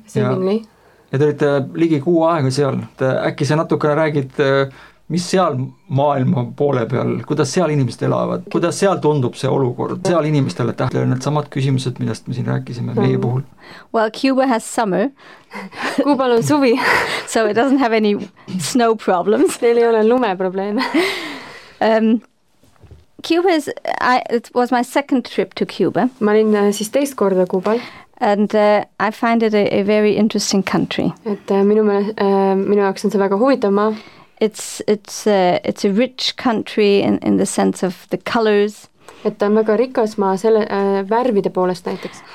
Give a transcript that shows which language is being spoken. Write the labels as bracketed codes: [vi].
[et] Ja te olite ligi kuu aega seal, et äkki sa natukene räägid, mis seal maailma poole peal, kuidas seal inimesed elavad, kuidas seal tundub see olukord, seal inimestele tähtlevad need samad küsimused, millest me siin rääkisime meie puhul. [en] Well, Cuba has summer. [et] Kuubal on suvi. [en] So it doesn't have any snow problems. [et] Neil ei ole lume probleeme. [en] Cuba is, it was my second trip to Cuba. [et] Ma olin siis teist korda Kuubal. [en] And I find it a very interesting country. [et] Et minu jaoks on see väga huvitav maa. [en] It's a rich country in the sense of the colors. [et] Et ta on väga rikas maa selle värvide poolest näiteks.